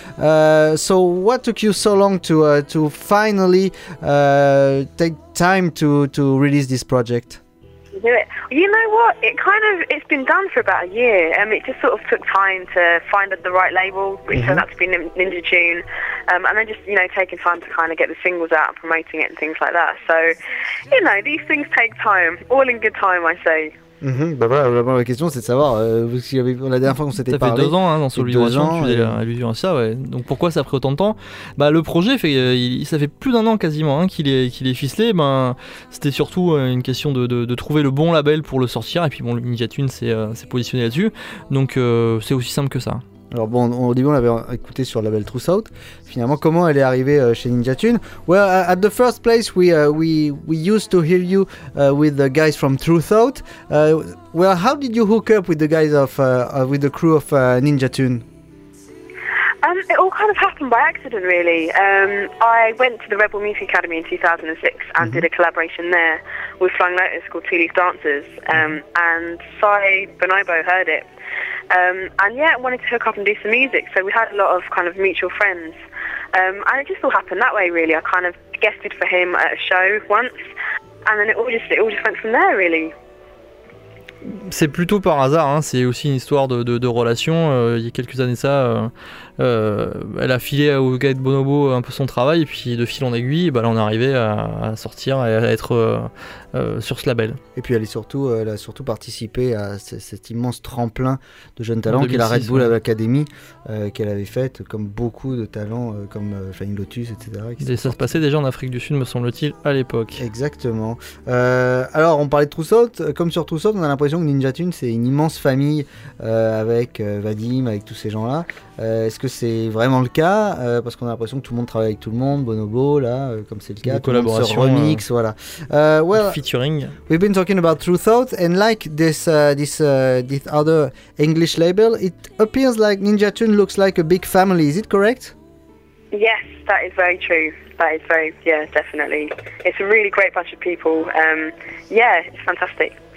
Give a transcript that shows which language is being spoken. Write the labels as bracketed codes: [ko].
[en] So what took you so long to finally take time to release this project? Do it. You know what? It's been done for about a year, and it just sort of took time to find the right label, which turned out to be Ninja Tune, and then just, you know, taking time to kind of get the singles out and promoting it and things like that. So, you know, these things take time. All in good time, I say. Mm-hmm. [fr] Bah voilà, la question c'est de savoir la dernière fois qu'on s'était parlé. Ça fait deux ans, hein, dans son livre, tu fais allusion à ça, ouais. Donc pourquoi ça a pris autant de temps? Bah le projet ça fait plus d'un an quasiment, hein, qu'il est ficelé. Ben c'était surtout une question de trouver le bon label pour le sortir, et puis bon, Ninja Tune s'est positionné là-dessus, donc c'est aussi simple que ça. Alors bon, au début on l'avait écouté sur le label Truth Out. Finalement, comment elle est arrivée chez Ninja Tune? [en] Well, at the first place, we used to hear you with the guys from Truth Out. Well, how did you hook up with the guys of with the crew of Ninja Tune? It all kind of happened by accident, really. I went to the Rebel Music Academy in 2006 and did a collaboration there with Flying Lotus called Two Leaf Dancers. And Cy Bonobo heard it. Wanted to hook up and do some music. So we had a lot of kind of mutual friends. And it just all happened that way, really. I kind of guested for him at a show once. And then it all just went from there, really. [fr] C'est plutôt par hasard, hein. C'est aussi une histoire de relation. Il y a quelques années, elle a filé au gars de Bonobo un peu son travail, et puis de fil en aiguille, bah, elle en est arrivée à sortir et à être sur ce label. Et puis elle a surtout participé à cet immense tremplin de jeunes talents qui est la Red Bull Academy, qu'elle avait faite, comme beaucoup de talents, comme Flying Lotus, etc. Ça se passait déjà en Afrique du Sud, me semble-t-il, à l'époque. Exactement. Alors, on parlait de Truth Out. Comme sur Truth Out, on a l'impression que Ninja Tune, c'est une immense famille avec Vadim, avec tous ces gens-là. Est-ce que c'est vraiment le cas? Parce qu'on a l'impression que tout le monde travaille avec tout le monde, Bonobo, là, comme c'est le cas. Des collaborations. Remix, voilà. Featuring. [en] We've been talking about True Thought, and like this this other English label, it appears like Ninja Tune looks like a big family. Is it correct? Yes, that is very true. That is very, yeah, definitely. It's a really great bunch of people. It's fantastic.